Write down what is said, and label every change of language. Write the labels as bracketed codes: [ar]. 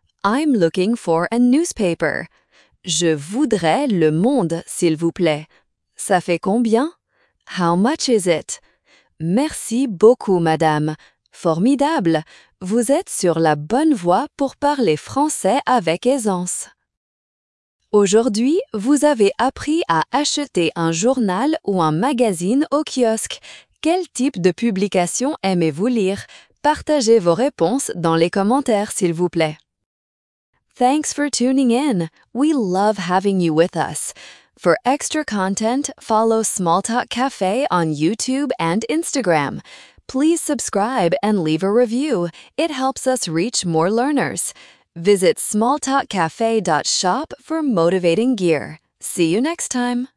[en] I'm looking for a newspaper. [fr] Je voudrais le Monde, s'il vous plaît. Ça fait combien? [en] How much is it? [fr] Merci beaucoup, madame. Formidable! Vous êtes sur la bonne voie pour parler français avec aisance. Aujourd'hui, vous avez appris à acheter un journal ou un magazine au kiosque. Quel type de publication aimez-vous lire? Partagez vos réponses dans les commentaires, s'il vous plaît. [en] Thanks for tuning in. We love having you with us. For extra content, follow Small Talk Cafe on YouTube and Instagram. Please subscribe and leave a review. It helps us reach more learners. Visit smalltalkcafe.shop for motivating gear. See you next time.